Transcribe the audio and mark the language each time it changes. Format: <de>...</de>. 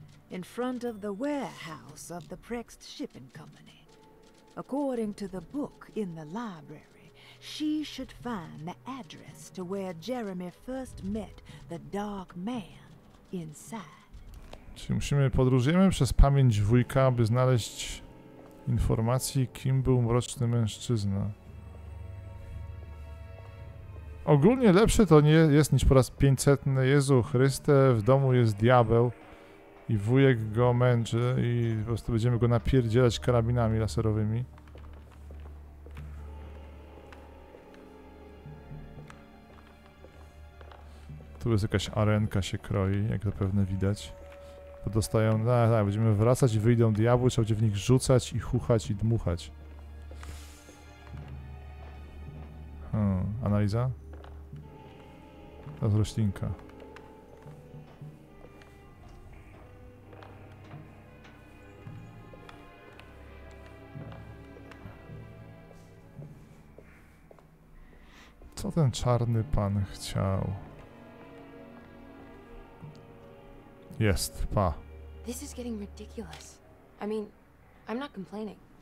<en>In front of the warehouse of the Prext Shipping Company. According to the book in the library, she should find the address to where Jeremy first met the dark man inside.</en> <pl>Czyli musimy podróżujemy przez pamięć wujka, aby znaleźć informacje, kim był mroczny mężczyzna. Ogólnie lepsze to nie jest niż po raz 500. Jezu Chryste, w domu jest diabeł. I wujek go męczy i po prostu będziemy go napierdzielać karabinami laserowymi. Tu jest jakaś arenka się kroi, jak zapewne widać. Podostają, będziemy wracać i wyjdą diabły, trzeba będzie w nich rzucać i chuchać i dmuchać. Analiza? To jest roślinka. Co ten czarny pan chciał? Jest, pa.</pl> <en>This is getting ridiculous. I mean, I'm not complaining.</en>